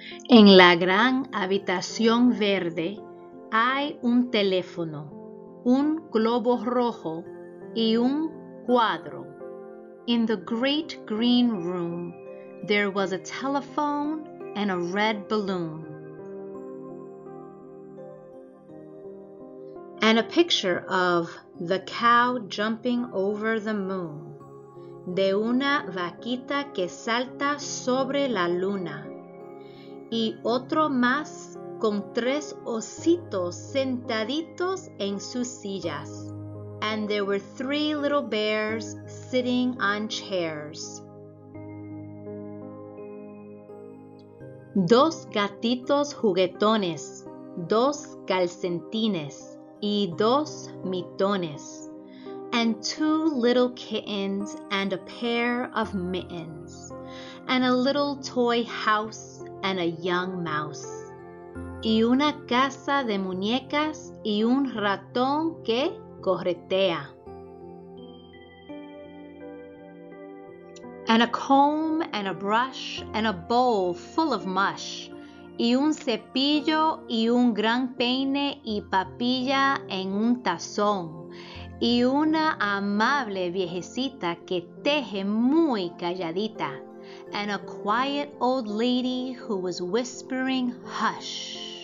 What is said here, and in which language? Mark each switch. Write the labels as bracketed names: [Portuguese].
[Spanish] En la gran habitación verde hay un teléfono, un globo rojo y un cuadro. [English] In the great green room, there was a telephone and a red balloon. And a picture of the cow jumping over the moon. [Spanish] De una vaquita que salta sobre la luna. Y otro más con tres ositos sentaditos en sus sillas. [English] And there were three little bears sitting on chairs. [Spanish] Dos gatitos juguetones, dos calcetines y dos mittens. [English] And two little kittens and a pair of mittens. And a little toy house and a young mouse. [Spanish] Y una casa de muñecas y un ratón que corretea. [English] And a comb and a brush and a bowl full of mush. [Spanish] Y un cepillo y un gran peine y papilla en un tazón. Y una amable viejecita que teje muy calladita. [English] And a quiet old lady who was whispering hush.